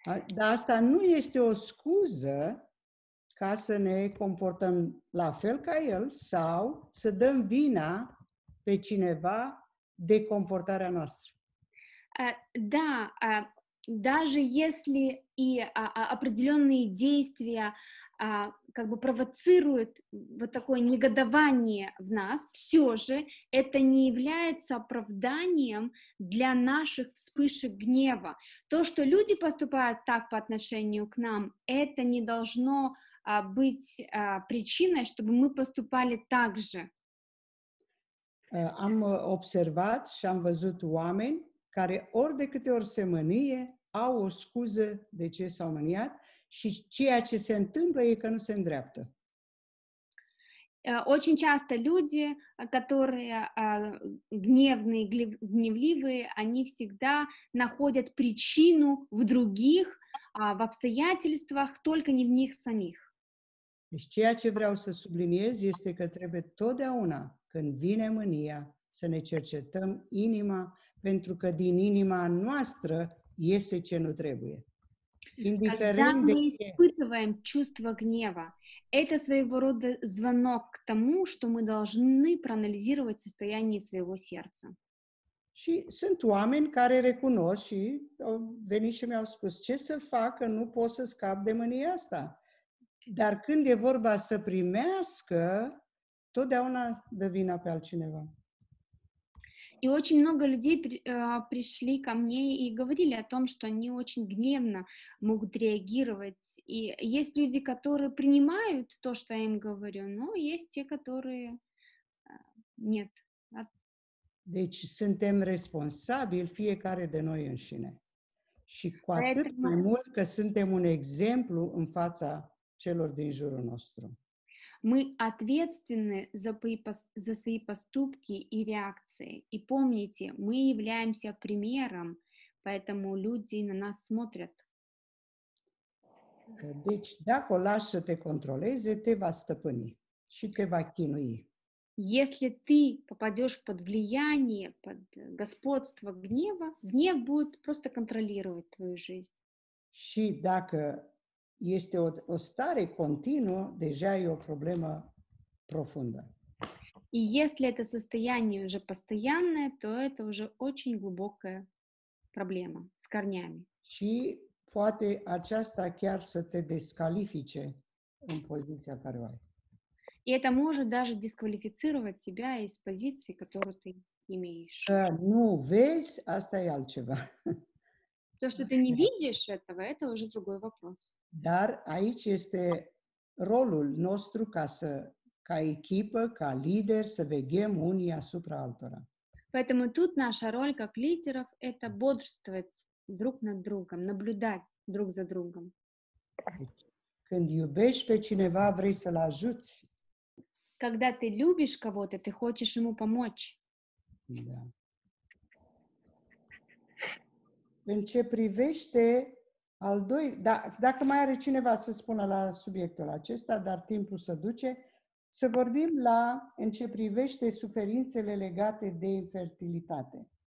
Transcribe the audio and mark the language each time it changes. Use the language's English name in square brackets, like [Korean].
[Romanian] Dar asta nu este o scuză ca să ne comportăm la fel ca el sau să dăm vina pe cineva de comportarea noastră. [Russian] Da, даже если и определенные действия как бы провоцируют вот такое негодование в нас, все же это не является оправданием для наших вспышек гнева. То, что люди поступают так по отношению к нам, это не должно быть причиной, чтобы мы поступали так же. [Romanian] Am observat și am văzut oameni care ori de câte ori se mânie, au o scuză de ce s-au mâniat și ceea ce se întâmplă e că nu se îndreaptă. [Russian] Очень часто люди, которые гневные, гневливые, они всегда находят причину в других, в обстоятельствах, только не в них самих. [Romanian] Deci ceea ce vreau să subliniez este că trebuie totdeauna, când vine mânia, să ne cercetăm inima, pentru că din inima noastră iese ce nu trebuie. Indiferent [Russian] Когда мы испытываем чувство гнева, это своего рода звонок к тому, что мы должны проанализировать состояние своего сердца. [Romanian] Și sunt oameni care recunosc și au venit și mi-au spus ce să fac, că nu pot să scap de mânia asta. Dar când e vorba să primească, totdeauna dă vina pe altcineva. [Russian] И очень много людей пришли ко мне и говорили о том, что они очень гневно могут реагировать. И есть люди, которые принимают то, что я им говорю, но есть те, которые нет. [Romanian] Deci suntem responsabili fiecare de noi înșine. Și cu atât mai mult că suntem un exemplu în fața celor din jurul nostru. [Russian] Мы ответственны за свои поступки и реакции. И помните, мы являемся примером, поэтому люди на нас смотрят. [Romanian] Deci, dacă o lași să te controleze, te va stăpâni și te va chinui. [Russian] Если ты попадешь под влияние, под господство гнева, гнев будет просто контролировать твою жизнь. [Romanian] Și dacă este o stare continuă, deja e o problemă profundă. [Russian] И если это состояние уже постоянное, то это уже очень глубокая проблема с корнями. [Romanian] Și poate aceasta chiar să te descalifice în poziția care ai. [Russian] И это может даже дисквалифицировать тебя из позиции, которую ты имеешь. Ну, весь, [Romanian] asta e altceva. [Russian] То, что ты не видишь этого, это уже другой вопрос. [Romanian] Dar aici este rolul nostru ca echipă, ca lider, să veghem unii asupra altora. [Russian] Поэтому тут наша роль как лидеров – это бодрствовать друг над другом, наблюдать друг за другом. [Romanian] Când iubești pe cineva, vrei să-l ajuți. [Russian] Когда ты любишь кого-то, ты хочешь ему помочь. Да. [Romanian] În ce privește al doi, da, dacă mai are cineva să spună la subiectul acesta, dar timpul se duce, să vorbim la în ce privește suferințele legate de infertilitate.